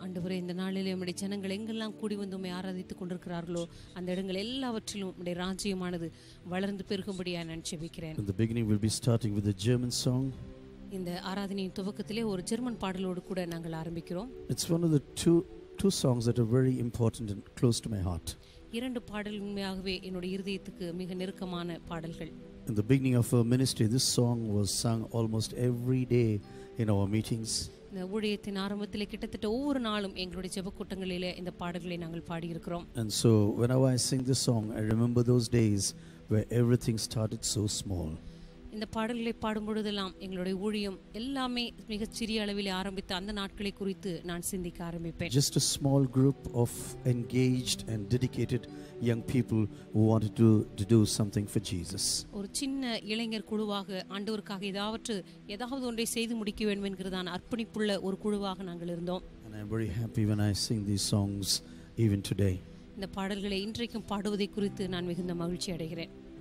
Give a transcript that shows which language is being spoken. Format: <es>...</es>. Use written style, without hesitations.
<ta>ஆண்டவரே இந்த நாளிலே நம்முடைய ஜனங்கள் எங்கெல்லாம் கூடி வந்து உம்மை ஆராதித்துக் கொண்டிருக்கிறார்களோ அந்த இடங்கள் எல்லாவற்றிலும் நம்முடைய ராஜ்யமானது வளர்ந்து பெருகும்படியாக நான் ஜெபிக்கிறேன்.</ta> <en>In the beginning we'll be starting with a German song.</en> <ta>இந்த ஆராதனையின் துவக்கத்திலே ஒரு ஜெர்மன் பாடலோடு கூட நாங்கள் ஆரம்பிக்கிறோம்.</ta> <en>It's one of the two songs that are very important and close to my heart.</en> <ta>இரண்டு பாடல்கள் உண்மையாகவே என்னுடைய இதயத்துக்கு மிக நெருக்கமான பாடல்கள்.</ta> <en>In the beginning of our ministry this song was sung almost every day in our meetings.</en> <ta>ஊழியத்தின் ஆரம்பத்தில் கிட்டத்தட்ட ஒவ்வொரு நாளும் எங்களுடைய ஜெப கூட்டங்களில் இந்த பாடல்களை நாங்கள் பாடி இருக்கிறோம்.</ta> <en>And so whenever I sing this song I remember those days where everything started so small.</en> <ta>இந்த பாடல்களை பாடும் பொழுதெல்லாம் எங்களுடைய ஊழியம் எல்லாமே மிக சிறிய அளவில் ஆரம்பித்த அந்த நாட்களை குறித்து நான் சிந்திக்க ஆரம்பிப்பேன்.</ta> <en>Just a small group of engaged and dedicated young people who wanted to do something for Jesus.</en> <ta>ஒரு சின்ன இளைஞர் குழுவாக ஆண்டவருக்காக ஏதாவது ஒன்றை செய்து முடிக்க வேண்டும் என்கிறதான் அர்ப்பணிப்புள்ள ஒரு குழுவாக நாங்கள் இருந்தோம்.</ta> <en>And I'm very happy when I sing these songs even today.</en> <ta>இந்த பாடல்களை இன்றைக்கும் பாடுவதை குறித்து நான் மிகுந்த மகிழ்ச்சி அடைகிறேன்.</ta>